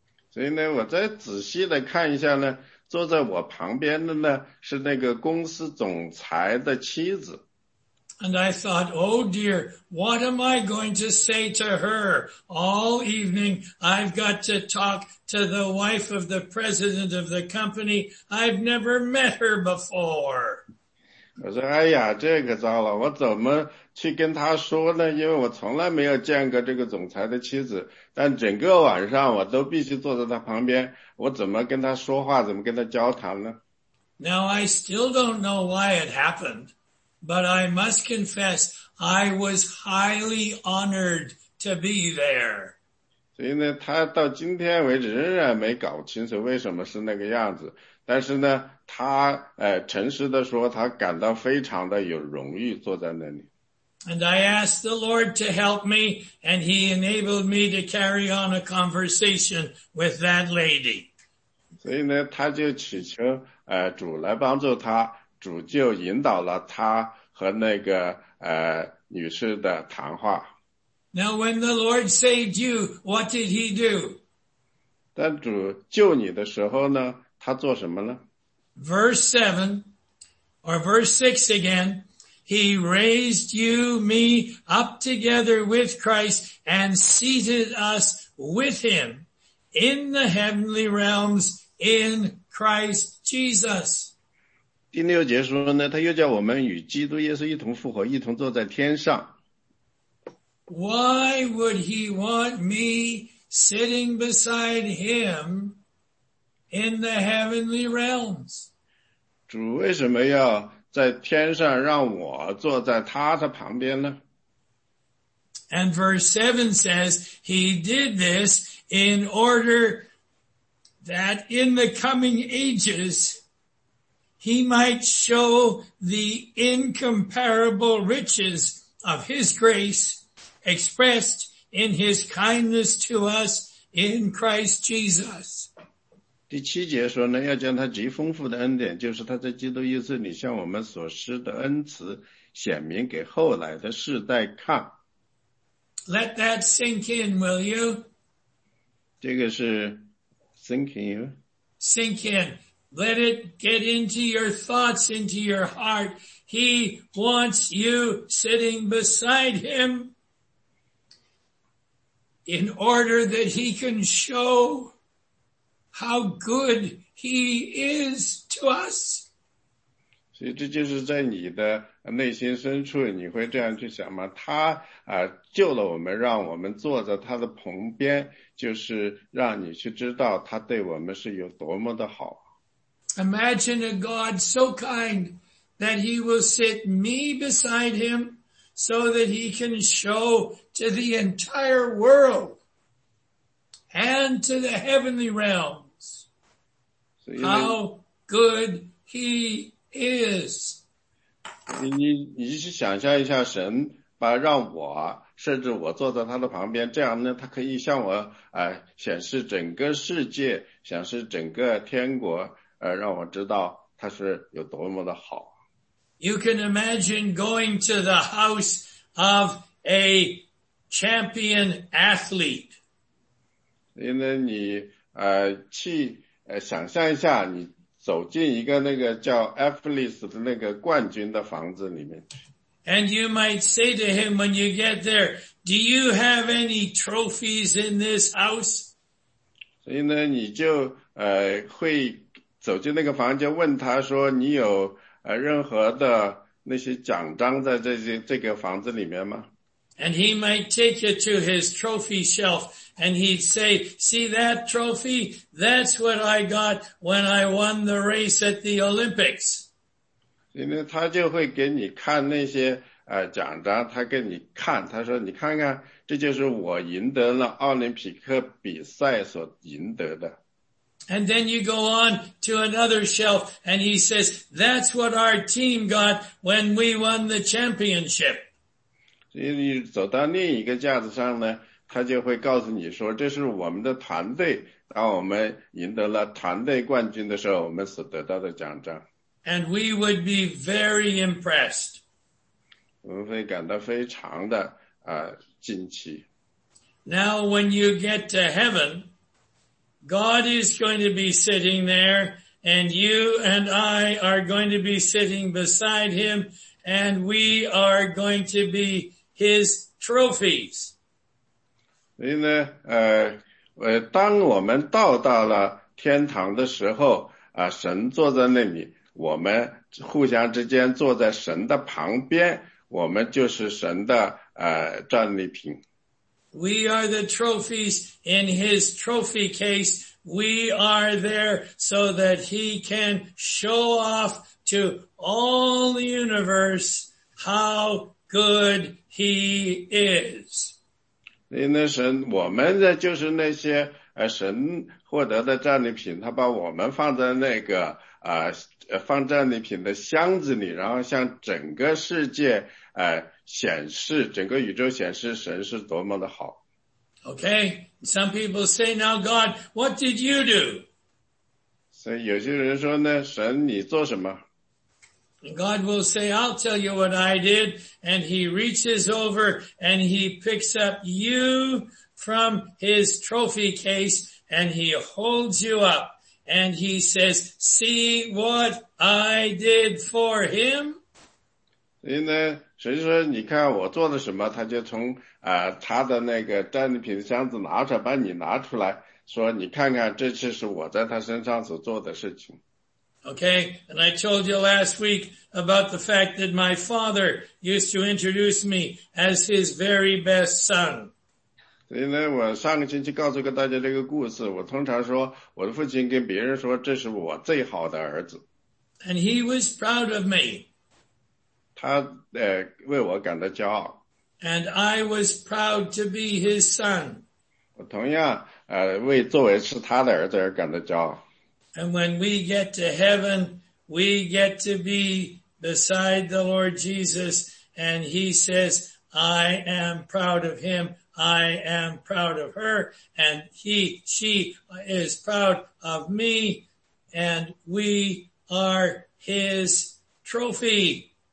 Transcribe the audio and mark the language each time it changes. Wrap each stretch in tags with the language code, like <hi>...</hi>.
<zh>所以呢，我再仔细的看一下呢，坐在我旁边的呢，是那个公司总裁的妻子。</zh> <en>And I thought, oh dear, what am I going to say to her? All evening, I've got to talk to the wife of the president of the company. I've never met her before.</en> <zh>我说，哎呀，这可糟了，我怎么去跟她说呢？因为我从来没有见过这个总裁的妻子，但整个晚上我都必须坐在她旁边，我怎么跟她说话，怎么跟她交谈呢？</zh> <en>Now, I still don't know why it happened. But I must confess, I was highly honored to be there.</en> <zh>所以呢，他到今天为止仍然没搞清楚为什么是那个样子。但是呢，他诚实地说，他感到非常的有荣誉坐在那里。</zh> <en>And I asked the Lord to help me, and he enabled me to carry on a conversation with that lady.</en> <zh>所以呢，他就祈求主来帮助他。主就引导了他和那个女士的谈话。</zh> <en>Now when the Lord saved you, what did he do?</en> <zh>但主救你的时候呢，他做什么呢？</zh> <en>Verse 7 or verse 6 again, he raised you, me, up together with Christ and seated us with him in the heavenly realms in Christ Jesus.</en> <zh>第六节说呢，他又叫我们与基督耶稣一同复活，一同坐在天上。</zh> <en>Why would he want me sitting beside him in the heavenly realms?</en> <zh>主为什么要在天上让我坐在他的旁边呢？</zh> <en>And verse 7 says, he did this in order that in the coming ages, he might show the incomparable riches of his grace expressed in his kindness to us in Christ Jesus.</en> <zh>第七节说呢，要将他极丰富的恩典，就是他在基督耶稣里向我们所施的恩慈，显明给后来的世代看。</zh> <en>Let that sink in, will you?</en> <zh>这个是</zh> <en>sink in? Sink in. Let it get into your thoughts, into your heart. He wants you sitting beside him in order that he can show how good he is to us.</en> <zh>所以这就是在你的内心深处，你会这样去想吗？他啊，救了我们，让我们坐在他的旁边，就是让你去知道他对我们是有多么的好。</zh> <en>Imagine a God so kind that he will sit me beside him so that he can show to the entire world and to the heavenly realms how good he is.</en> <zh>你去想象一下，神把让我甚至我坐在他的旁边，这样呢，他可以向我显示整个世界，显示整个天国。让我知道他是有多么的好。</zh> <en>You can imagine going to the house of a champion athlete.</en> <zh>因为你去想象一下，你走进一个那个叫 athletes 的那个冠军的房子里面。</zh> <en>And you might say to him when you get there, "Do you have any trophies in this house?"</en> <zh>所以呢，你就会。走进那个房间问他说你有任何的那些奖章在这个房子里面吗</zh> <en>And he might take you to his trophy shelf and he'd say, see that trophy? That's what I got when I won the race at the Olympics.</en> <zh>因为他就会给你看那些奖章他给你看他说你看看这就是我赢得了奥林匹克比赛所赢得的。</zh> <en>And then you go on to another shelf and he says, that's what our team got when we won the championship.</en> <zh>所以你走到另一个架子上呢，他就会告诉你说，这是我们的团队，当我们赢得了团队冠军的时候，我们所得到的奖章。</zh> <en>And we would be very impressed.</en> <zh>我们会感到非常的惊奇。</zh> <en>Now when you get to heaven,God is going to be sitting there, and you and I are going to be sitting beside him, and we are going to be his trophies.</en> <zh>所以呢，当我们到达了天堂的时候，神坐在那里，我们互相之间坐在神的旁边，我们就是神的战利品。</zh> <en>We are the trophies in his trophy case. We are there so that he can show off to all the universe how good he is.</en> <zh>那神，我们的就是那些神获得的战利品，他把我们放在那个放战利品的箱子里，然后向整个世界显示整个宇宙显示神是多么的好。</zh> <en>Okay, some people say, now God, what did you do?</en> <zh>所以有些人说呢，神你做什么？</zh> <en>God will say, I'll tell you what I did, and he reaches over and he picks up you from his trophy case and he holds you up and he says, see what I did for him?</en> <zh>所以呢所以说你看我做了什么他就从他的那个战利品箱子拿出来把你拿出来说你看看这次是我在他身上所做的事情。</zh> <en>Okay, and I told you last week about the fact that my father used to introduce me as his very best son.</en> <zh>所以呢我上个星期告诉过大家这个故事我通常说我的父亲跟别人说这是我最好的儿子。</zh> <en>And he was proud of me.</en> <zh>他为我感到骄傲。</zh> <en>And I was proud to be his son.</en> <zh>我同样为作为是他的儿子而感到骄傲。</zh> <en>And when we get to heaven, we get to be beside the Lord Jesus, and he says, I am proud of him, I am proud of her, and she is proud of me, and we are his trophy.</en>